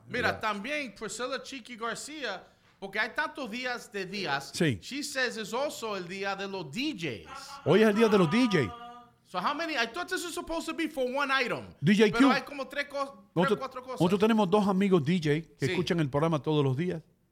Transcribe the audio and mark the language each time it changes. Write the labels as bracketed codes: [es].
[es] Mira, también Priscilla Chiqui García, porque hay tantos días de días. Sí. [en] She says it's also [es] el día de los DJs. Hoy es el día de los DJs. [en] So how many? I thought this was supposed to be for one item. DJ [es] pero Pero hay como cuatro cosas. Nosotros tenemos dos amigos DJ que sí escuchan el programa todos los días.